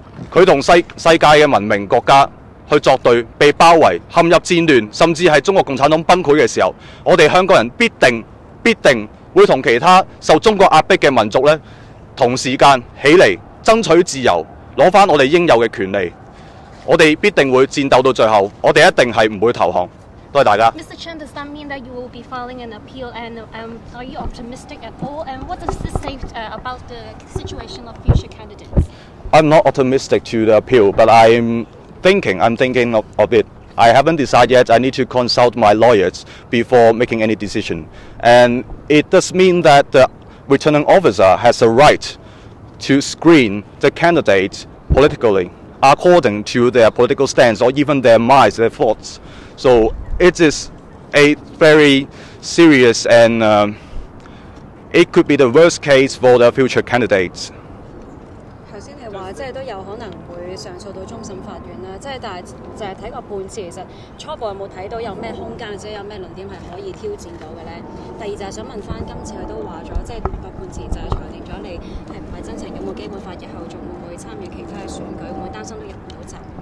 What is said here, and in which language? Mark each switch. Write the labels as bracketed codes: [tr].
[yue] 他和 世界的文明國家去作對，被包圍陷入戰亂，甚至是中國共產黨崩潰的時候，我們香港人必定會和其他受中國壓迫的民族呢同時間起來爭取自由，攞回我們應有的權利，我們必定會戰鬥到最後，我們一定是不會投降。多謝大家。 [en] Mr. Chen, does that mean that you will be filing an appeal, and are you optimistic at all, and what does this say about the situation of future candidates? I'm not optimistic to the appeal, but I'm thinking of it. I haven't decided yet. I need to consult my lawyers before making any decision. And it does mean that the returning officer has a right to screen the candidates politically according to their political stance or even their minds, their thoughts. So it is a very serious and it could be the worst case for the future candidates. [yue] 剛才你說即是都有可能會上訴到終審法院，即是但是就是看個判詞，其實初步有沒有看到有什麼空間或者有什麼論點是可以挑戰到的呢？第二就是想問回今次他都說了，即是個判詞就是裁定了你是不是真誠擁護基本法，日後還會不會參與其他的選舉，會不會擔心都入不了閘？